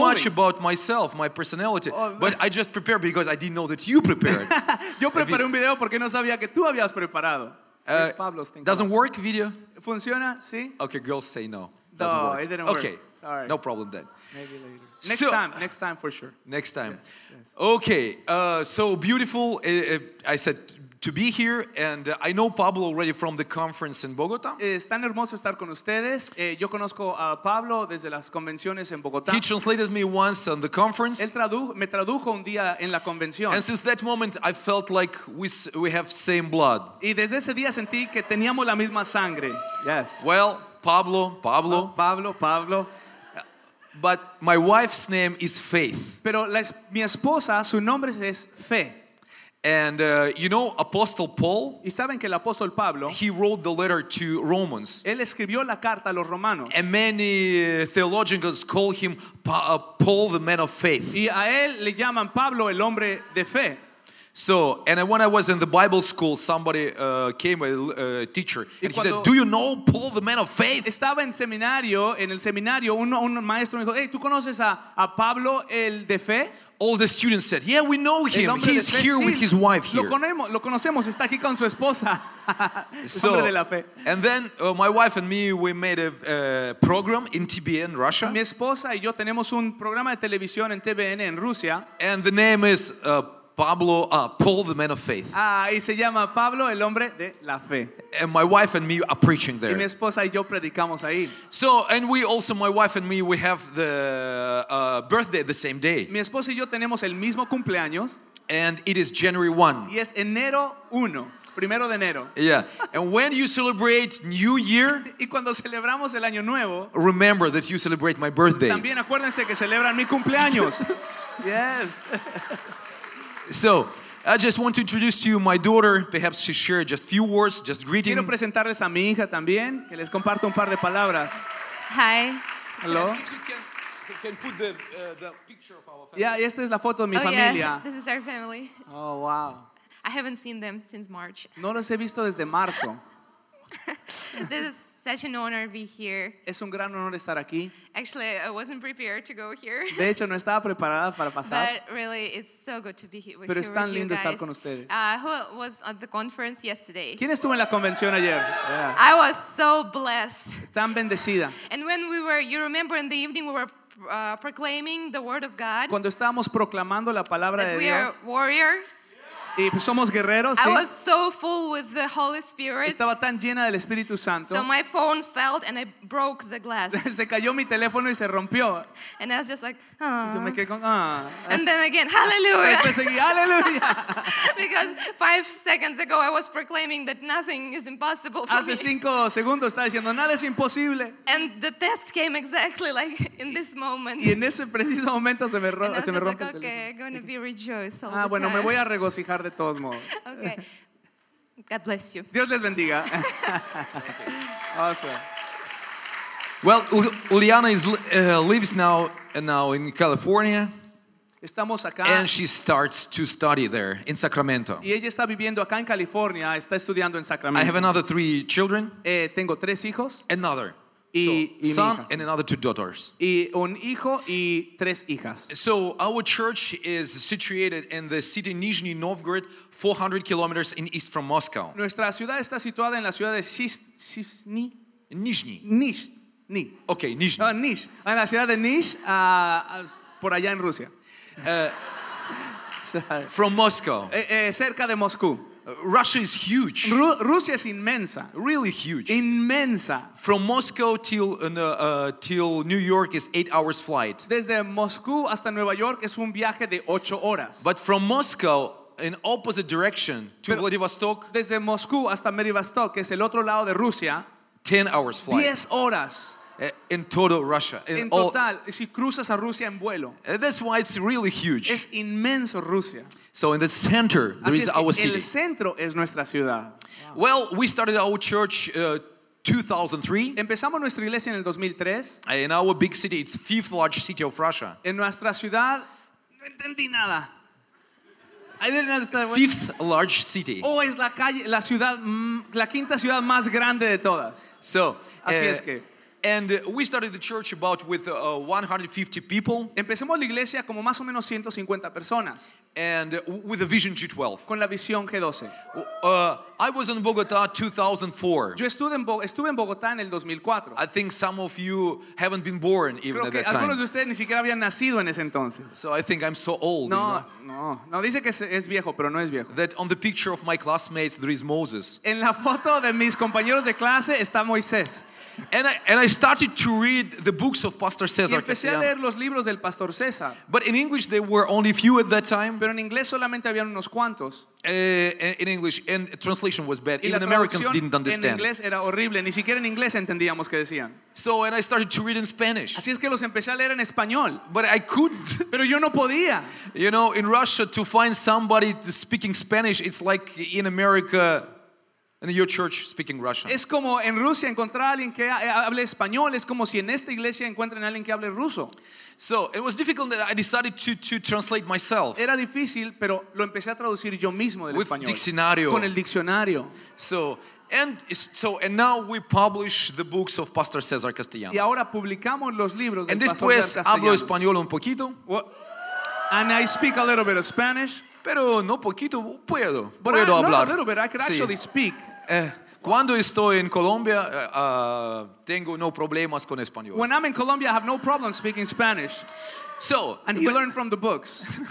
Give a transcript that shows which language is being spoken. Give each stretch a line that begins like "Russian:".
English: Much about myself, my personality. Oh, but I just prepared because I didn't know that you prepared.
Spanish: Yo preparé un video porque no sabía que tú habías preparado.
English: Doesn't work, video?
Spanish: Funciona, sí.
English: Okay, girls say no. Doesn't work. It didn't okay. work. Okay, sorry. No problem then. Maybe later. Next time for sure. Next time. Yes. Okay, so beautiful, I said, to be here, and I know Pablo already from the conference in Bogotá.
Spanish: Es tan hermoso estar con ustedes. Yo conozco a Pablo desde las convenciones en Bogotá.
English: He translated me once on the conference.
Spanish: Me tradujo un día en la convención.
English: And since that moment, I felt like we have same blood.
Spanish: Y desde ese día sentí que teníamos la misma sangre.
English: Yes. Well, Pablo. Pablo. But my wife's name is Faith.
Spanish: Pero mi esposa, su nombre es Fe.
English: And you know, Apostle Paul.
Spanish: ¿Y saben que el apóstol Pablo?
English: He wrote the letter to Romans.
Spanish: Él escribió la carta a los romanos.
English: And many theologians call him Paul, the man of faith.
Spanish: Y a él le llaman Pablo, el hombre de fe.
English: So, and when I was in the Bible school, somebody came, a teacher, and he said, "Do you know Paul, the man of faith?"
Spanish: Estaba en seminario, en el seminario, un maestro me dijo, "Hey, ¿tú conoces a Pablo, el de fe?"
English: All the students said, "Yeah, we know him. He's here with his wife here."
Spanish: Lo conocemos, está aquí con su esposa.
English: So, and then my wife and me, we made a program in TBN, Russia.
Spanish: Mi esposa y yo tenemos un programa de televisión en TBN en Rusia.
English: And the name is Paul, the man of faith.
Spanish: Ah, y se llama Pablo, el hombre de la fe.
English: And my wife and me are preaching there.
Spanish: Y mi esposa y yo predicamos ahí.
English: So, and we also, my wife and me, we have the birthday the same day.
Spanish: Mi esposa y yo tenemos el mismo cumpleaños.
English: And it is January 1.
Spanish: Y es enero 1. Primero de enero.
English: Yeah. And when you celebrate New Year,
Spanish: y cuando celebramos el año nuevo,
English: remember that you celebrate my birthday.
Spanish: También acuérdense que celebran mi cumpleaños.
English: Yes. So, I just want to introduce to you my daughter. Perhaps she shared just a few words, just greeting.
Spanish: Quiero presentarles a mi hija también, que les comparto un par de palabras.
English: Hi. Hello. If you can put the picture of our family.
Spanish: Yeah, esta es la foto de mi familia.
English: Oh, yeah. This is our family. Oh, wow. I haven't seen them since March.
Spanish: No los he visto desde marzo.
English: This is such an honor to be here.
Spanish: Es un gran honor estar aquí.
English: Actually, I wasn't prepared to go here.
Spanish: De hecho, no estaba preparada para pasar.
English: But really, it's so good to be here with you.
Spanish: Pero es tan lindo estar con ustedes.
English: Who was at the conference yesterday?
Spanish: ¿Quién estuvo en la convención ayer?
English: Yeah. I was so blessed.
Spanish: Tan bendecida.
English: And when we were, you remember, in the evening we were proclaiming the word of God.
Spanish: Cuando estábamos proclamando la palabra de Dios.
English: That we are warriors.
Spanish: Y pues somos guerreros,
English: ¿sí? I was so full with the Holy Spirit.
Spanish: Estaba tan llena del Espíritu Santo.
English: So my phone fell and I broke the glass.
Spanish: Se cayó mi teléfono y se rompió.
English: And I was just like, aww.
Spanish: Yo me quedé con, ah.
English: And then again, hallelujah.
Spanish: Después seguí, hallelujah.
English: Because 5 seconds ago I was proclaiming that nothing is impossible for
Spanish: Hace
English: me.
Spanish: 5 segundos estaba diciendo, nada es imposible.
English: And the test came exactly like in this moment.
Spanish: Y en ese preciso momento se me rompió.
English: And I was just like, okay, I'm going to be rejoiced all ah, the
Spanish: bueno,
English: time.
Spanish: Me voy a regocijar. De todos modos.
English: Okay. God bless you.
Spanish: Dios les bendiga. Awesome.
English: Well, Uliana is lives now in California.
Spanish: Estamos acá.
English: And she starts to study there in Sacramento.
Spanish: Y ella está viviendo acá en California, está estudiando en Sacramento.
English: I have another 3 children.
Spanish: Tengo 3 hijos.
English: Another. So, son
Spanish: hija,
English: and another 2 daughters.
Spanish: Y un hijo y 3 hijas.
English: So our church is situated in the city Nizhny Novgorod, 400 kilometers in east from Moscow.
Spanish: Nuestra ciudad está situada en la ciudad de Nizhny. Nizhny. Nizhny. Okay, Nizhny. Nizh. En la ciudad de Nizh, por allá en Rusia.
English: from Moscow.
Spanish: Cerca de Moscú.
English: Russia is huge.
Spanish: Rusia es inmensa.
English: Really huge.
Spanish: Inmensa.
English: From Moscow till New York is 8 hours flight.
Spanish: Desde Moscú hasta Nueva York es un viaje de 8 horas.
English: But from Moscow in opposite direction to Pero Vladivostok.
Spanish: Desde Moscú hasta Vladivostok, que es el otro lado de Rusia.
English: 10 hours flight.
Spanish: 10 horas.
English: In total, Russia.
Spanish: En total, si cruzas a Rusia en vuelo.
English: That's why it's really huge.
Spanish: Es inmenso Rusia.
English: So in the center, there is our city.
Spanish: El centro es nuestra ciudad.
English: Wow. Well, we started our church 2003.
Spanish: Empezamos nuestra iglesia en el 2003.
English: In our big city, it's 5th largest city of Russia.
Spanish: En nuestra ciudad, no entendí nada.
English: I didn't understand. 5th largest city.
Spanish: Oh, es la calle, la ciudad, la quinta ciudad más grande de todas.
English: So,
Spanish: así es que.
English: And we started the church about with 150 people.
Spanish: Empezamos la iglesia como más o menos 150 personas.
English: And with a vision G12.
Spanish: Con la visión G12.
English: I was in Bogota 2004.
Spanish: Yo estuve en Bogotá en el 2004.
English: I think some of you haven't been born even
Spanish: Creo
English: at that time.
Spanish: Creo que algunos de ustedes ni siquiera habían nacido en ese entonces.
English: So I think I'm so old.
Spanish: No,
English: you know?
Spanish: No. No dice que es viejo, pero no es viejo.
English: That on the picture of my classmates there is Moses.
Spanish: En la foto de mis compañeros de clase está Moisés.
English: And I started to read the books of Pastor Cesar.
Spanish: Empecé a leer los libros del Pastor César.
English: But in English there were only few at that time.
Spanish: Pero en inglés solamente habían unos cuantos.
English: In English, and translation was bad. Even Americans didn't understand.
Spanish: En inglés era horrible. Ni siquiera en inglés entendíamos qué decían.
English: So, and I started to read in Spanish.
Spanish: Así es que los empecé a leer en español.
English: But I couldn't.
Spanish: Pero yo no podía.
English: You know, in Russia, to find somebody speaking Spanish, it's like in America. And your church speaking Russian.
Spanish: Es como en Rusia encontrar a alguien que hable español, es como si en esta iglesia encuentren a alguien que hable ruso.
English: So, it was difficult that I decided to translate myself.
Spanish: Era difícil, pero lo empecé a traducir yo mismo del
English: with
Spanish: español. Diccionario. Con el diccionario.
English: So, and now we publish the books of Pastor Cesar Castellanos.
Spanish: Y ahora publicamos los libros del Pastor César Castellanos. And después hablo español un poquito.
English: And I speak a little bit of Spanish.
Spanish: Pero no poquito, puedo hablar.
English: No, but I can actually speak.
Spanish: Cuando estoy en Colombia, tengo no problemas con español.
English: When I'm in Colombia, I have no problem speaking Spanish. So, and he learned from the books.